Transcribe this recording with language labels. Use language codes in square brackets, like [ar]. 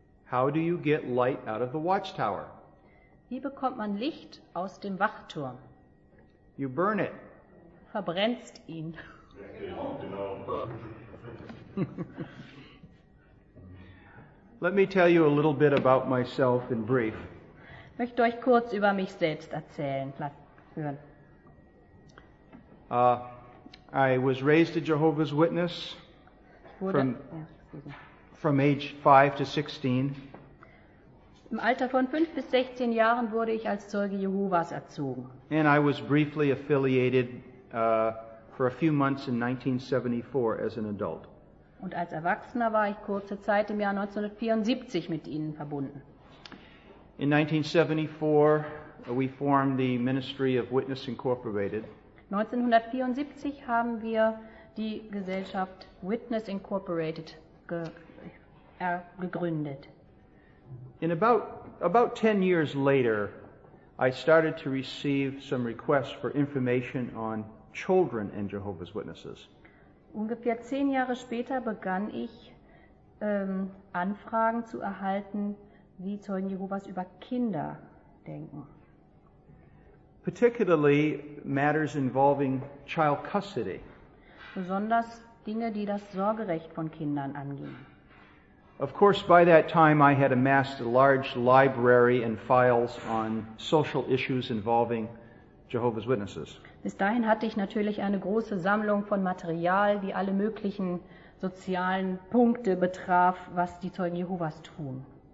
[en] How do you get light out of the watchtower? [de] Wie bekommt man Licht aus dem Wachturm? [en] You burn it. [de] Verbrennst ihn. [en] Let me tell you a little bit about myself in brief. [de] Ich möchte euch kurz über mich selbst erzählen. [en] I was raised a Jehovah's Witness from age 5 to 16. [de] Im Alter von 5 bis 16 Jahren wurde ich als Zeuge Jehovas erzogen. [en] And I was briefly affiliated for a few months in 1974 as an adult. [de] Und als Erwachsener war ich kurze Zeit im Jahr 1974 mit ihnen verbunden. [en] In 1974 we formed the Ministry of Witness Incorporated. [de] 1974 haben wir die Gesellschaft Witness Incorporated gegründet. [en] In about 10 years later, I started to receive some requests for information on children and Jehovah's Witnesses. [de] Ungefähr 10 Jahre später begann ich Anfragen zu erhalten, wie Zeugen Jehovas über Kinder denken. [en] Particularly matters involving child custody. [de] Besonders Dinge, die das Sorgerecht von Kindern angehen. [en] Of course, by that time I had amassed a large library and files on social issues involving Jehovah's Witnesses. [de] Bis dahin hatte ich natürlich eine große Sammlung von Material, die alle möglichen sozialen Punkte betraf, was die Zeugen Jehovas tun.